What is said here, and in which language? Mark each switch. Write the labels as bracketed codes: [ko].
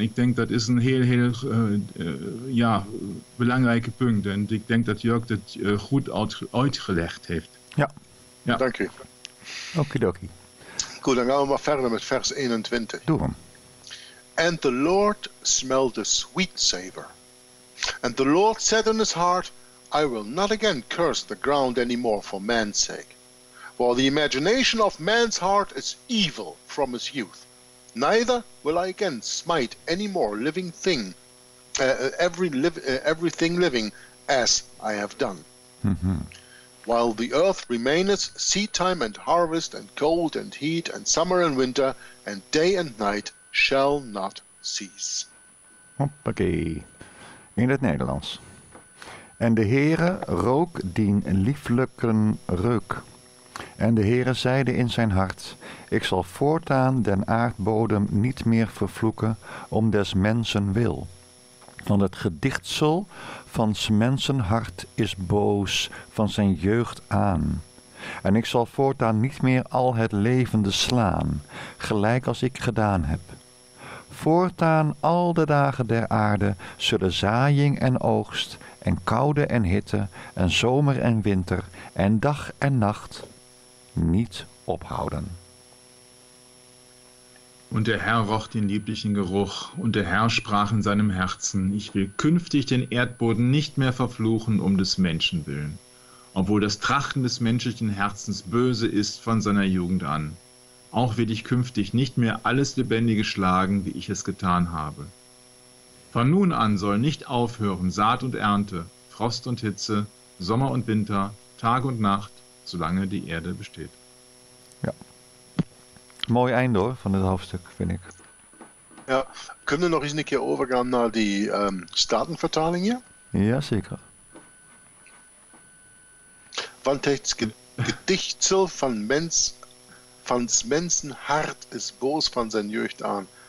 [nl] Ik denk dat is een heel, heel belangrijke punt. En ik denk dat Jörg dat goed uitgelegd heeft. Ja. Ja. Dank u. Okidoki. Goed, dan gaan we maar verder met vers 21. Doe hem. [en] And the Lord smelled a sweet savor. And the Lord said in his heart, I will not again curse the ground anymore for man's sake. For the imagination of man's heart is evil from his youth. Neither will I again smite any more living thing, everything living, as I have done. Mm-hmm. While the earth remaineth, seed time and harvest, and cold and heat, and summer and winter, and day and night shall not cease. [nl] Hoppakee. In het Nederlands. En de Heere rook dien lieflijken reuk. En de Heere zeide in zijn hart, ik zal voortaan den aardbodem niet meer vervloeken om des mensen wil. Want het gedichtsel van s mensen hart is boos van zijn jeugd aan. En ik zal voortaan niet meer al het levende slaan, gelijk als ik gedaan heb. Voortaan al de dagen der aarde zullen zaaiing en oogst en koude en hitte en zomer en winter en dag en nacht niet ophouden. [de] Und der Herr roch den lieblichen Geruch, und der Herr sprach in seinem Herzen, ich will künftig den Erdboden nicht mehr verfluchen um des Menschen willen, obwohl das Trachten des menschlichen Herzens böse ist von seiner Jugend an. Auch will ich künftig nicht mehr alles Lebendige schlagen, wie ich es getan habe. Von nun an soll nicht aufhören Saat und Ernte, Frost und Hitze, Sommer und Winter, Tag und Nacht, solange die Erde besteht. [nl] Ja. Mooi einde hoor, van het hoofdstuk, vind ik. Ja, kunnen we nog eens een keer overgaan naar die Statenvertaling hier? Ja, zeker. Want het gedichtsel van mens, van mensen hart is boos van zijn jeugd aan.